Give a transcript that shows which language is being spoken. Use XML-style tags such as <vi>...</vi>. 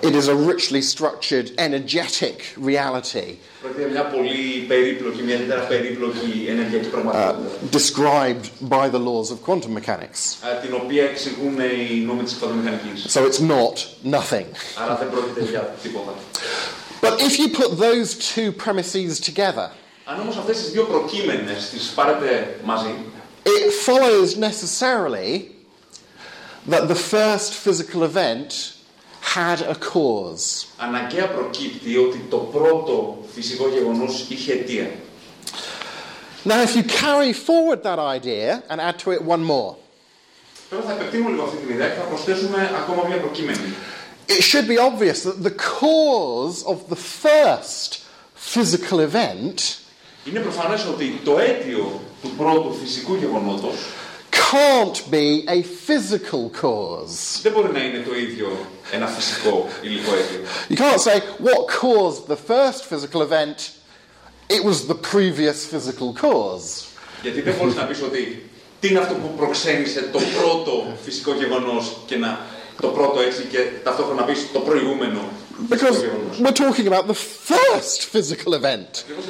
<en>It is a richly structured, energetic reality.</en> <el>Πρόκειται μια πολύ περίπλοκη, μια ιδιαίτερα περίπλοκη ενεργειακή πραγματικότητα.</el> <en>Described by the laws of quantum mechanics.</en> <el>Την οποία εξηγούν οι νόμοι της κβαντομηχανικής.</el> <en>So it's not nothing.</en> <el>Άρα δεν πρόκειται για τίποτα.</el> <en>But if you put those two premises together.</en> <el>Αν όμως αυτές τις δύο προκείμενες τις πάρετε μαζί.</el> <en>It follows necessarily that the first physical event had a cause.</en> <el>Αναγκαία προκύπτει ότι το πρώτο φυσικό γεγονός είχε αιτία.</el> <en>Now if you carry forward that idea and add to it one more.</en> <el>Τώρα θα επεκτείνουμε λίγο αυτή την ιδέα και θα προσθέσουμε ακόμα μια προκείμενη.</el> <en>It should be obvious that the cause of the first physical event</en> <el>είναι προφανές ότι το αίτιο του πρώτου φυσικού γεγονότος</el> <en>can't be a physical cause.</en> <el>Δεν μπορεί να είναι το ίδιο ένα φυσικό υλικό αίτιο.</el> <en>You can't say what caused the first physical event, it was the previous physical cause.</en> <el>Γιατί δεν μπορείς να πεις ότι τι είναι αυτό που προξένησε το πρώτο φυσικό γεγονός και να το πρώτο έτσι και ταυτόχρονα πεις το προηγούμενο.</el> <en>Because we're talking about the first physical event.</en>